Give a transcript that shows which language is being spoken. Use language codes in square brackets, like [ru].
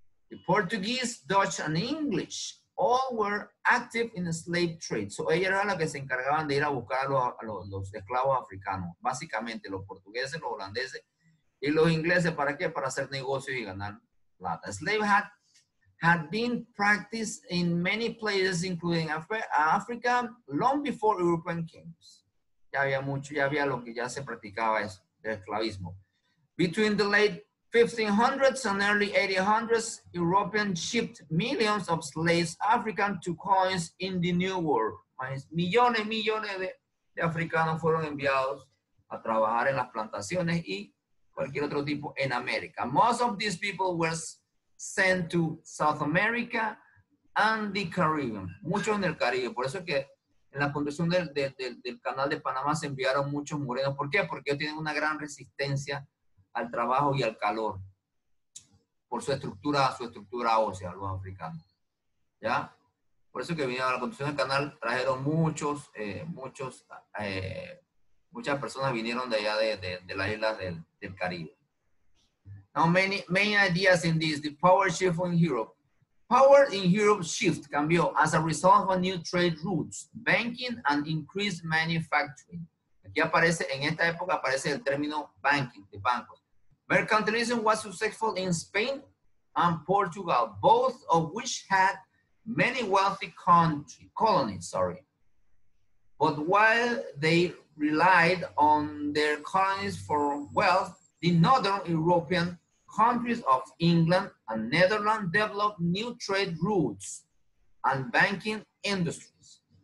[en] The Portuguese, Dutch, and English all were active in the slave trade. [es] So, ellos eran los que se encargaban de ir a buscar a los esclavos africanos. Básicamente, los portugueses, los holandeses y los ingleses, ¿para qué? Para hacer negocios y ganar plata. [en] Slave had been practiced in many places, including Africa, long before European kings. [es] Ya había mucho, ya había lo que ya se practicaba eso. De esclavismo. [en] Between the late 1500s and early 1800s, Europeans shipped millions of slaves, African to colonies in the New World. [es] Millones, millones de africanos fueron enviados a trabajar en las plantaciones y cualquier otro tipo en América. [en] Most of these people were sent to South America and the Caribbean. [es] Muchos en el Caribe, por eso es que en la construcción del canal de Panamá se enviaron muchos morenos. ¿Por qué? Porque ellos tienen una gran resistencia al trabajo y al calor por su estructura ósea, los africanos. ¿Ya? Por eso que vinieron a la construcción del canal, trajeron muchas personas vinieron de allá de las islas del Caribe. [en] Now, many ideas in this, the power shift in Europe. Power in Europe shift cambió as a result of new trade routes, banking and increased manufacturing. [es] Aquí aparece, en esta época aparece el término banking, de bancos. [en] Mercantilism was successful in Spain and Portugal, both of which had many wealthy colonies. But while they relied on their colonies for wealth, the northern European countries of England and Netherlands developed new trade routes and banking industries.